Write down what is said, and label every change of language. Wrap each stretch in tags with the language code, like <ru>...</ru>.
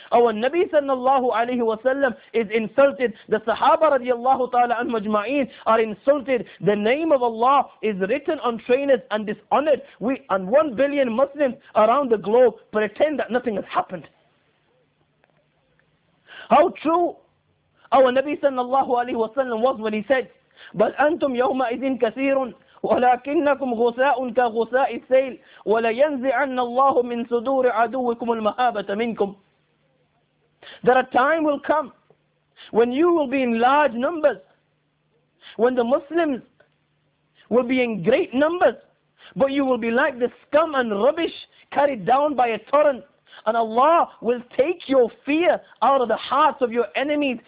<en>Our Nabi sallallahu alayhi wa sallam is insulted. The Sahaba radiallahu ta'ala anhu majma'een are insulted. The name of Allah is written on trainers and dishonored. We and 1 billion Muslims around the globe pretend that nothing has happened. How true our Nabi sallallahu alayhi wa sallam was when he said,</en> <ar>بَلْ أَنْتُمْ يَوْمَئِذٍ كَثِيرٌ وَلَكِنَّكُمْ غُسَاءٌ كَغُسَاءِ السَّيْلِ وَلَيَنْزِعَنَّ اللَّهُ مِنْ صُدُورِ عَدُوِّكُمُ الْمَهَابَةَ مِنْكُمْ.</ar> <en>That a time will come when you will be in large numbers, when the Muslims will be in great numbers, but you will be like the scum and rubbish carried down by a torrent. And Allah will take your fear out of the hearts of your enemies.</en>